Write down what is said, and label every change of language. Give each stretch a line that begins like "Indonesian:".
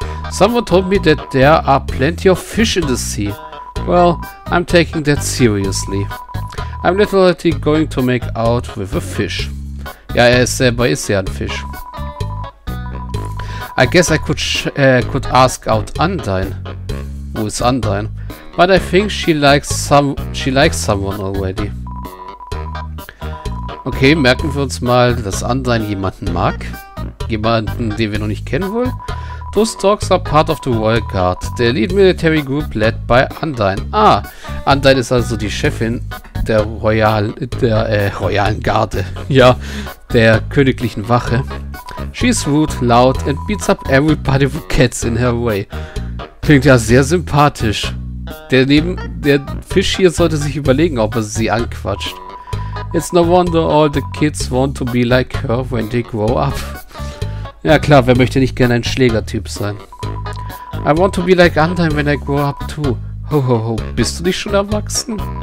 English: Someone told me that there are plenty of fish in the sea. Well, I'm taking that seriously. I'm literally going to make out with a fish.
German: Ja, er ist selber ist ja ein Fisch.
English: I guess I could ask out Undyne.
German: Wo ist Undyne?
English: But I think she likes someone already.
German: Okay, merken wir uns mal, dass Undyne jemanden mag. Jemanden, den wir noch nicht kennen wollen.
English: Those dogs are part of the Royal Guard. The elite military group led by Undyne.
German: Ah, Undyne ist also die Chefin der Royalen Garde. Ja, der königlichen Wache.
English: She's rude, loud and beats up everybody who gets in her way.
German: Klingt ja sehr sympathisch. Der Fisch hier sollte sich überlegen, ob er sie anquatscht.
English: It's no wonder all the kids want to be like her when they grow up.
German: Ja klar, wer möchte nicht gerne ein Schlägertyp sein?
English: I want to be like Undyne when I grow up too.
German: Ho ho ho, bist du nicht schon erwachsen?